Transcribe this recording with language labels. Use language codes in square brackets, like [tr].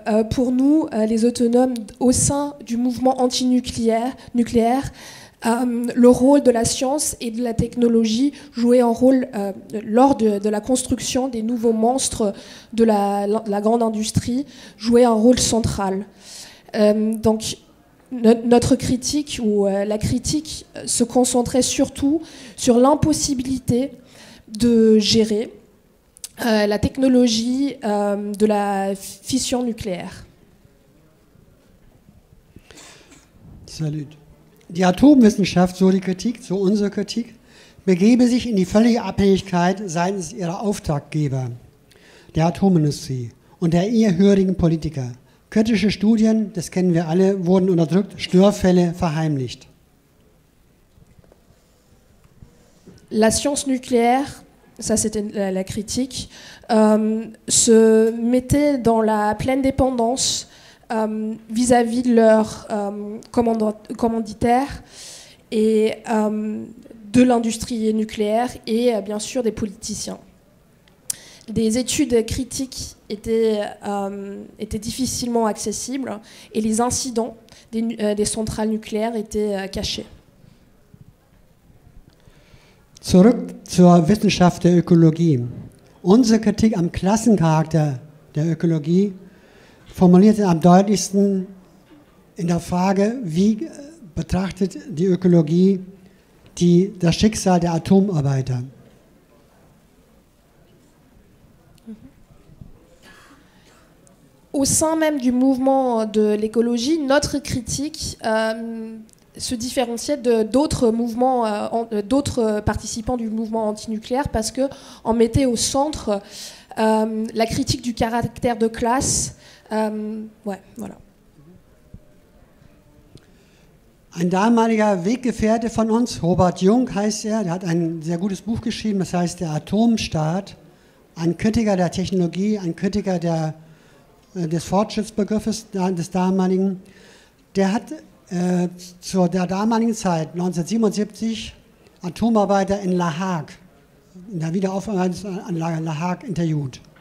[fr] Pour nous, les autonomes au sein du mouvement anti-nucléaire, le rôle de la science et de la technologie jouait un rôle lors de la construction des nouveaux monstres de la grande industrie, jouait un rôle central. Donc, Notre critique ou la critique se concentrait surtout sur l'impossibilité de gérer la technologie de la fission nucléaire. Salut. [de] Die Atomwissenschaft, so die Kritik, so unsere Kritik, begebe sich in die völlige Abhängigkeit seitens ihrer Auftraggeber, der Atomindustrie und der ehrhörigen Politiker. Kritische Studien, das kennen wir alle, wurden unterdrückt, Störfälle verheimlicht. [fr] La science nucléaire, ça c'était la critique, se mettait dans la pleine dépendance vis-à-vis de leurs commanditaires et de l'industrie nucléaire et bien sûr des politiciens. Des études critiques étaient difficilement accessibles et les incidents des centrales nucléaires étaient cachés. [de] Zurück zur Wissenschaft der Ökologie. Unsere Kritik am Klassencharakter der Ökologie formuliert am deutlichsten in der Frage, wie betrachtet die Ökologie das Schicksal der Atomarbeiter? [fr] Au sein même du mouvement de l'écologie, notre critique se différenciait de d'autres mouvements, d'autres participants du mouvement antinucléaire, parce que on mettait au centre la critique du caractère de classe. [de] Ein damaliger Weggefährte von uns, Robert Jung heißt er, der hat ein sehr gutes Buch geschrieben, das heißt Der Atomstaat, ein Kritiker der Technologie, ein Kritiker des Fortschrittsbegriffes des damaligen, der hat zu der damaligen Zeit, 1977, Atomarbeiter in La Hague, in der Wiederaufarbeitungsanlage La Hague, interviewt.